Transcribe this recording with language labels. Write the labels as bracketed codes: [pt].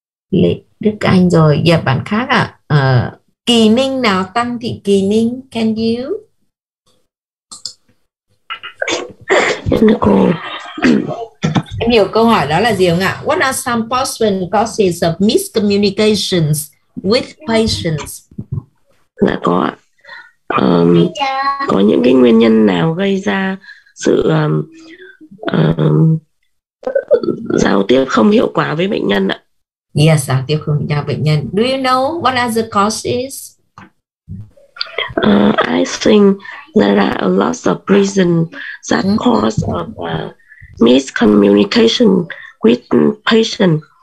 [vi] Lê Đức Anh rồi, giờ yeah, bạn khác ạ. Kỳ Ninh nào, Tăng Thị Kỳ Ninh, [en] can you? [vi] Em hiểu câu hỏi đó là gì không ạ? [en] What are some possible causes of miscommunications with patients? [vi] Dạ có ạ. Có những cái nguyên nhân nào gây ra sự giao tiếp không hiệu quả với bệnh nhân ạ? [en] Yes, [vi] giao tiếp không hiệu quả với bệnh nhân. [en] Do you know what are the causes? I think there are a lot of reasons that cause of miscommunication with patient.